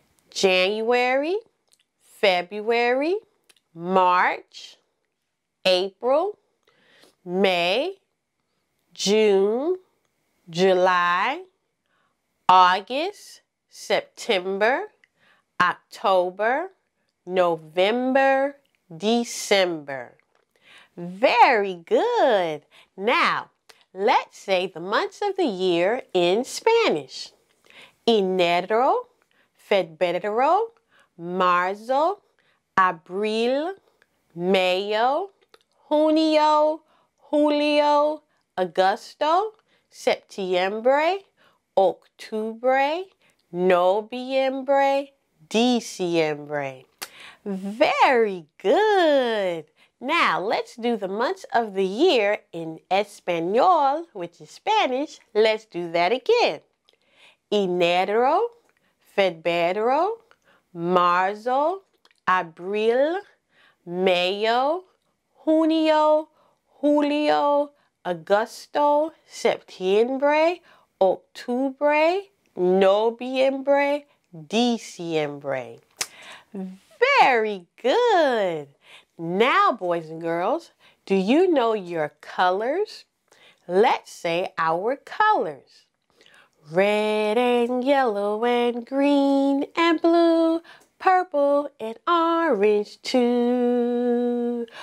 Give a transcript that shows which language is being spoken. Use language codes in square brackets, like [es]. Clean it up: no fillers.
[en] January, February, March, April, May, June, July, August, September, October, November, December. Very good. Now, let's say the months of the year in Spanish. [es] Enero, febrero, marzo, abril, mayo, junio, julio, agosto, septiembre, octubre, noviembre, diciembre. [en] Very good. Now, let's do the months of the year in Espanol, which is Spanish. Let's do that again. [es] Enero, febrero, marzo, abril, mayo, junio, julio, agosto, septiembre, octubre, noviembre, diciembre. [en] Very good. Now, boys and girls, do you know your colors? Let's say our colors. Red and yellow and green and blue, purple and orange too.